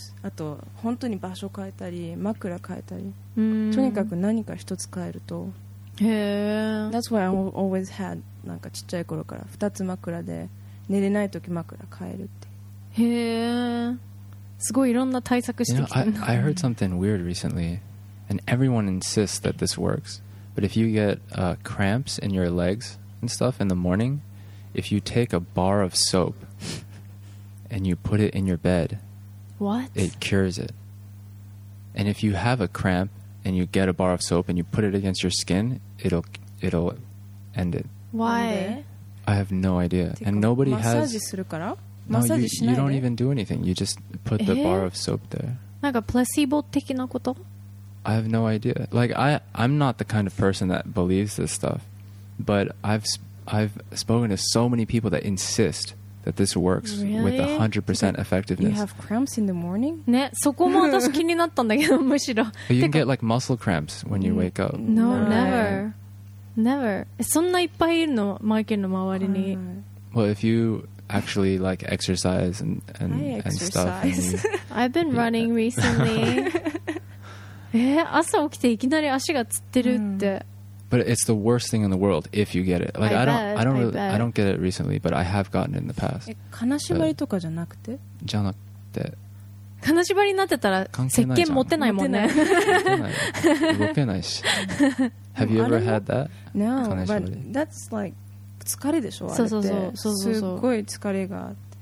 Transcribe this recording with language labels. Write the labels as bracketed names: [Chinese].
[Japanese] あと本当に場所変えたり枕変えたり、うん、とにかく何か一つ変えると、へえ。 [English] That's why I always had、 [Japanese] なんかちっちゃい頃から2つ枕で寝れない時枕変えるって、へえ。すごいいろんな対策してきてる。 [English] I heard something weird recently and everyone insists that this works, but if you get、cramps in your legs and stuff in the morningIf you take a bar of soap and you put it in your bed, what? It cures it. And if you have a cramp and you get a bar of soap and you put it against your skin, it'll end it. Why? I have no idea. And nobody has... No, you don't even do anything. You just put the bar of soap there. [Japanese] なんかプラシーボ的なこと? [English] I have no idea. Like, I'm not the kind of person that believes this stuff, but I've spoken to so many people that insist that this works、 really? with 100% effectiveness. You have cramps in the morning? [Japanese] ね、そこも私気になったんだけど、むしろ。 [English] But you can get like muscle cramps when you wake up. No, never. Never. [Japanese] そんないっぱいいるの、マイケルの周りに。 [English] Well, if you actually like exercise and stuff. I exercise. I've been running recently. [Japanese] 朝起きていきなり足がつってるって。 [English] But it's the worst thing in the world if you get it. Like, I don't get it recently, but I have gotten it in the past. [Japanese] 金縛りとかじゃなくて? じゃなくて。金縛りになってたら石鹸持てないもんね。動けないし。 [English] Have you ever had that? No, but that's like, [Japanese] 疲れでしょ? そうそうそう。すっごい疲れがあって。